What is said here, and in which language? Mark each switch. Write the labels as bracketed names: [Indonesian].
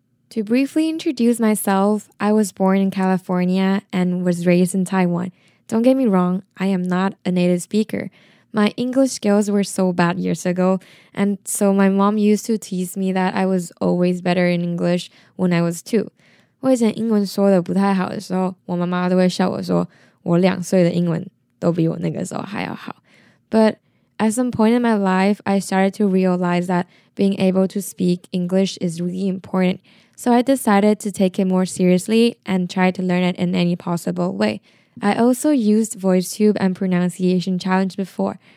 [English] To briefly introduce myself, I was born in California and was raised in Taiwan. Don't get me wrong, I am not a native speaker. My English skills were so bad years ago, and so my mom used to tease me that I was always better in English when I was two. [Chinese] 我以前英文说的不太好的时候，我妈妈都会笑我说，我两岁的英文都比我那个时候还要好。 [English] But at some point in my life, I started to realize that being able to speak English is really important. So I decided to take it more seriously and try to learn it in any possible way. I also used VoiceTube and pronunciation challenge before.